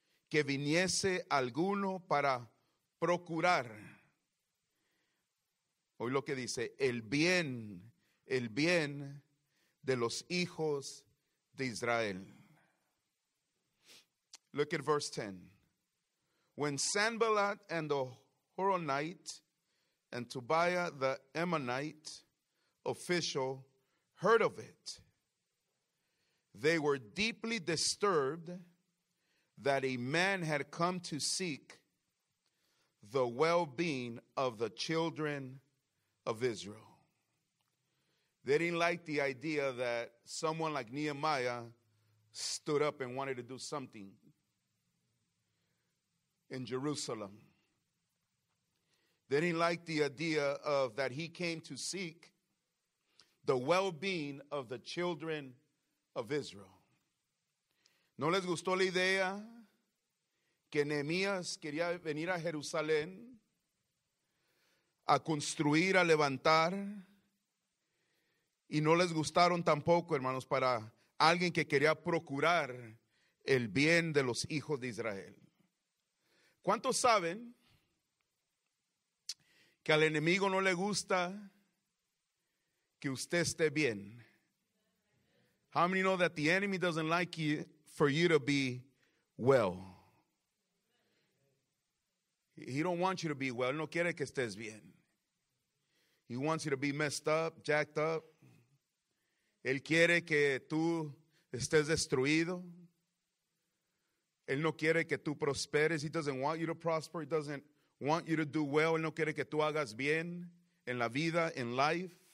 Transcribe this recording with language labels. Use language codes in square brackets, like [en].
[es] que viniese alguno para procurar, oí lo que dice, el bien de los hijos de Israel. [en] Look at verse 10. When Sanballat and the Horonite and Tobiah the Ammonite official heard of it, they were deeply disturbed that a man had come to seek the well-being of the children of Israel. They didn't like the idea that someone like Nehemiah stood up and wanted to do something in Jerusalem. They didn't like the idea of that he came to seek the well-being of the children of Israel. [es] No les gustó la idea que Nehemías quería venir a Jerusalén a construir, a levantar. Y no les gustaron tampoco, hermanos, para alguien que quería procurar el bien de los hijos de Israel. ¿Cuántos saben que al enemigo no le gusta que usted esté bien? [en] How many know that the enemy doesn't like you for you to be well? He don't want you to be well. [es] Él no quiere que estés bien. [en] He wants you to be messed up, jacked up. [es] Él quiere que tú estés destruido. Él no quiere que tú prosperes. [en] He doesn't want you to prosper. He doesn't want you to do well. [es] Él no quiere que tú hagas bien en la vida, [en] in life.